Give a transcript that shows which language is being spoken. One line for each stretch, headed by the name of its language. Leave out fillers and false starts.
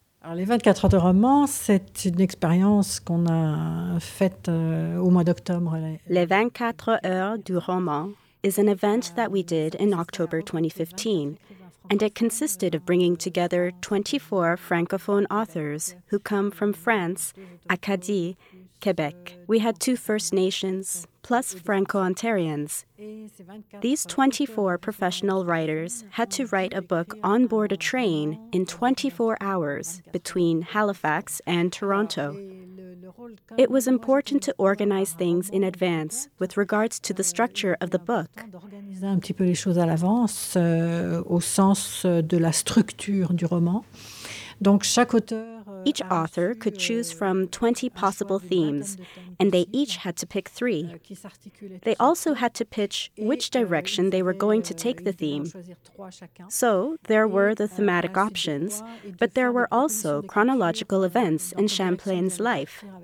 French: Alors, les 24 heures de roman, c'est une expérience qu'on a faite au mois d'octobre.
English: Les 24 heures du roman is an event that we did in October 2015, and it consisted of bringing together 24 Francophone authors who come from France, Acadie, Quebec. We had two First Nations, plus Franco-Ontarians. These 24 professional writers had to write a book on board a train in 24 hours between Halifax and Toronto. It was important to organize things in advance with regards to the structure of the book.
French: D'organiser un petit peu les choses à l'avance au sens de la structure du roman. Donc chaque auteur.
English: Each author could choose from 20 possible themes, and they each had to pick three. They also had to pitch which direction they were going to take the theme. So there were the thematic options, but there were also chronological events in Champlain's life.